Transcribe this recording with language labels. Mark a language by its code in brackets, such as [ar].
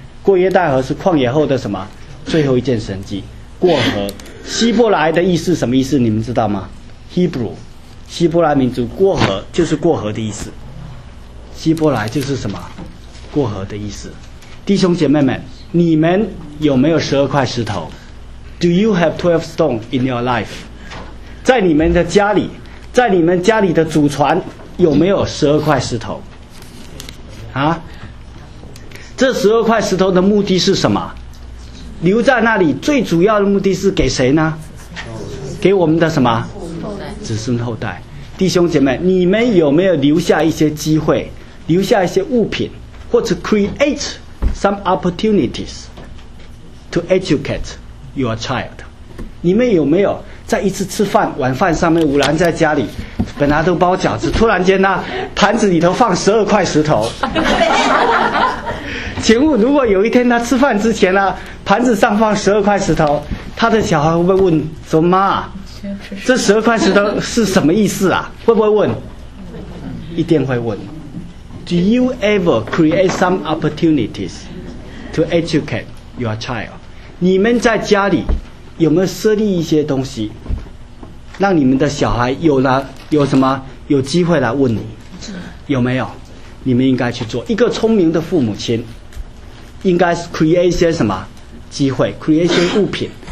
[zh] 过约旦河是旷野后的什么？最后一件神迹。过河，希伯来的意思什么意思？你们知道吗？ Hebrew， 希伯来民族，过河就是过河的意思。希伯来就是什么？过河的意思。弟兄姐妹们，你们有没有十二块石头？ [en] Do you have 12 stone in your life？ [zh] 在你们的家里，在你们家里的祖传有没有十二块石头啊？这十二块石头的目的是什么？留在那里最主要的目的是给谁呢？给我们的什么子孙后代。弟兄姐妹，你们有没有留下一些机会，留下一些物品，或者 [en] create some opportunities to educate your child？ [zh] 你们有没有在一次吃饭晚饭上面，无然在家里本来都包饺子，突然间呢盘子里头放十二块石头？请问如果有一天他吃饭之前呢盘子上放十二块石头，他的小孩会不会问说，妈，这十二块石头是什么意思啊？会不会问？一定会问。 [en] Do you ever create some opportunities to educate your child？ [zh] 你们在家里有没有设立一些东西，让你们的小孩有了有什么有机会来问你？有没有？你们应该去做。一个聪明的父母亲，应该 create 一些什么机会 ？create 一些物品。